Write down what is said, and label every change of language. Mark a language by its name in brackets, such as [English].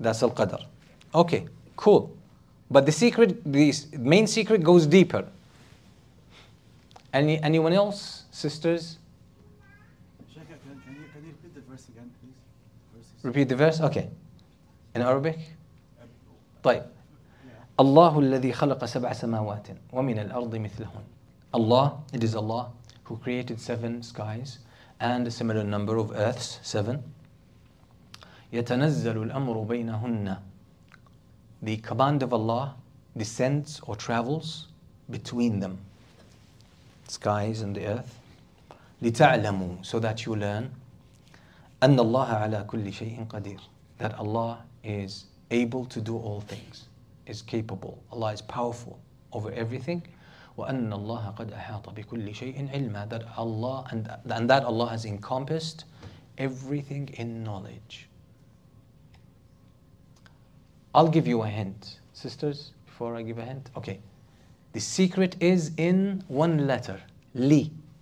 [English] That's Al-Qadr. Okay, cool. But the secret, the main secret goes deeper. Anyone else? Sisters? Sheikh, can you repeat the verse again, please? Repeat the verse? Okay. In Arabic? [Arabic] طيب. الله الذي خلق سبع سماوات ومن الأرض مثلهن. [English] Allah, it is Allah who created seven skies and a similar number of earths, seven. [Arabic] يتنزل الأمر بينهن. [English] The command of Allah descends or travels between them, skies and the earth. [Arabic] لتعلموا, [English] so that you learn. [Arabic] أن الله على كل شيء قدير. [English] That Allah is able to do all things, is capable. Allah is powerful over everything. [Arabic] وأن الله قد أحاط بكل شيء علما. [English] That Allah and that Allah has encompassed everything in knowledge. I'll give you a hint, sisters, before I give a hint. Okay. The secret is in one letter, li.